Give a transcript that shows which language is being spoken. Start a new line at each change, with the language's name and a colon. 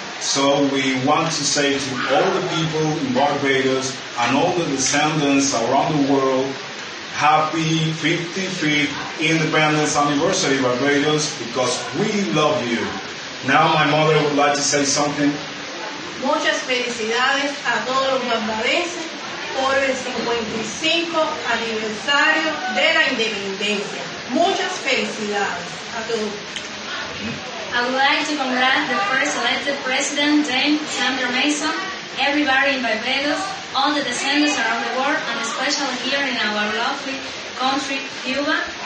English: So we want to say to all the people in Barbados and all the descendants around the world, happy 55th Independence Anniversary, Barbados, because we love you. Now my mother would like to say something.
Spanish: Muchas felicidades a todos los barbadenses por el 55 aniversario de la independencia. Muchas felicidades a todos.
English: I would like to congratulate the first elected president, Dame Sandra Mason, everybody in Barbados, all the descendants around the world, and especially here in our lovely country, Cuba.